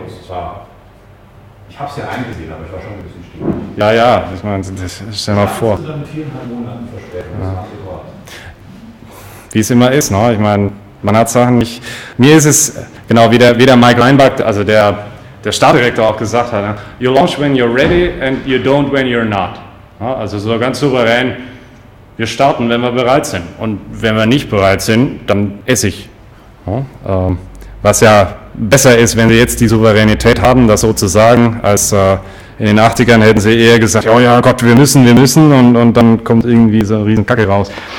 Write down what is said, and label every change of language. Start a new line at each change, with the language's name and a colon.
German: Nee, ich habe es ja eingesehen, aber ich war schon ein bisschen stinkig. Ja, ja, ich meine, das stell mal vor. Das hast du dann mit 4,5 Monaten Verspätung. Wie es immer ist, ne? Ich meine, man hat Sachen nicht. Mir ist es, genau, wie der Mike Leinbach, also der Startdirektor auch gesagt hat, ne?
English: You launch when you're ready and you don't when you're not.
German: Ja, also so ganz souverän, wir starten, wenn wir bereit sind. Und wenn wir nicht bereit sind, dann esse ich. Ja, was ja besser ist, wenn sie jetzt die Souveränität haben, das so zu sagen, als in den 80ern hätten sie eher gesagt, oh ja Gott, wir müssen und dann kommt irgendwie so eine riesen Kacke raus.